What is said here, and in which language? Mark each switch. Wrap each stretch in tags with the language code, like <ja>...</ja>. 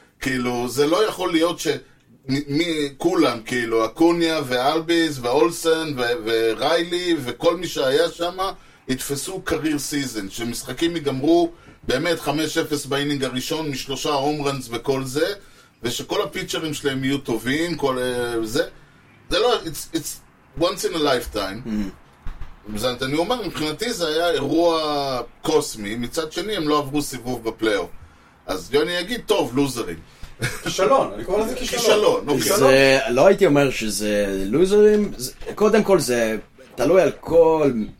<he>כאילו, זה לא יכול להיות שכולם, כאילו, אקוניה ואלביס ואולסן וריילי וכל מי שהיה שם, יתפסו career season, שמשחקים יגמרו באמת 5-0 באינינג הראשון משלושה הום ראנס וכל זה, ושכל הפיצ'רים שלהם יהיו טובים, כל זה. זה לא,</he> <en>it's once in a lifetime.</en> <he>זאת אני אומר, מבחינתי זה היה אירוע קוסמי, מצד שני הם לא עברו סיבוב בפלייאוף. אז יוני יגיד, טוב, לוזרים. כישלון, אני קורא לזה כישלון. לא הייתי אומר שזה לוזרים, קודם כל זה תלוי על כל...</he>